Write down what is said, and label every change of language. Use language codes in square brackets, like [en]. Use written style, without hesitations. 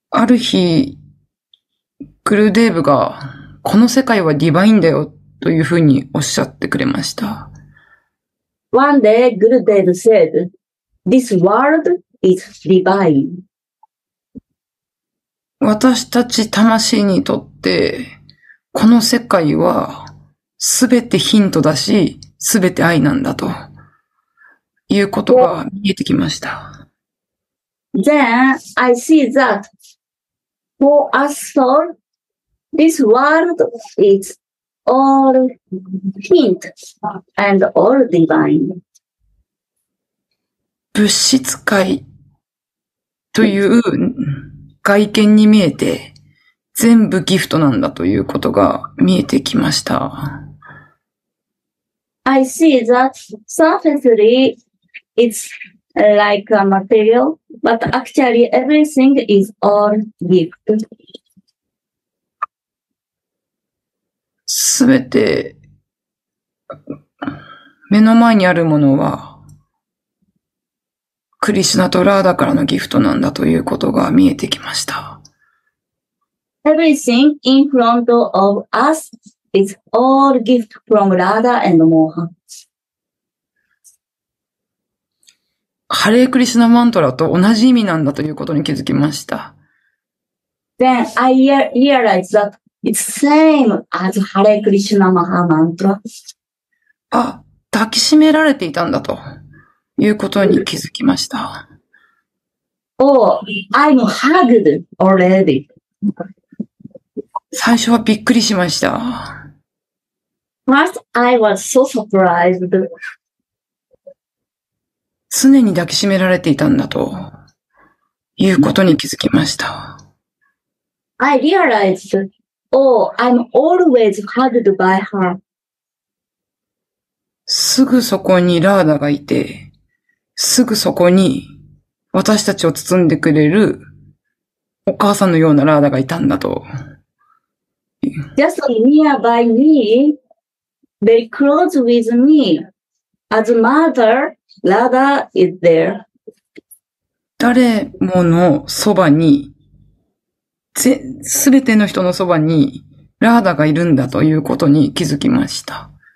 [ja] ある日、グルデーブがこの世界はディバインだよというふうにおっしゃってくれました。 [en] One day, Gurudev said, This world is divine. [ja] 私たち魂にとって、この世界はすべてヒントだし、すべて愛なんだと。いうことが見えてきました。 [en] Then I see that for us all, this world is all hint and all divine. [ja] 物質界という外見に見えて全部ギフトなんだということが見えてきました。 [en] I see that surfacely it's like a material, but actually everything is all gift. [ja] すべて目の前にあるものはクリシュナとラーダからのギフトなんだということが見えてきました。 [en] Everything in front of us is all gift from Radha and Mohan. [ja] ハレークリシュナマントラと同じ意味なんだということに気づきました。 [en] Then I realized that it's same as ハレークリシュナマハマントラ。 [ja] あ、抱きしめられていたんだと。いうことに気づきました。 [en] Oh, I'm hugged already. [ja] 最初はびっくりしました。 [en] First, I was so surprised. [ja] 常に抱きしめられていたんだと、いうことに気づきました。 [en] I realized, oh, I'm always hugged by her. [ja] すぐそこにラーダがいて、すぐそこに私たちを包んでくれるお母さんのようなラーダがいたんだと。 [en] Just nearby me, very close with me, as mother, Radha is there. [ja] 誰ものそばに、すべての人のそばにラーダがいるんだということに気づきました。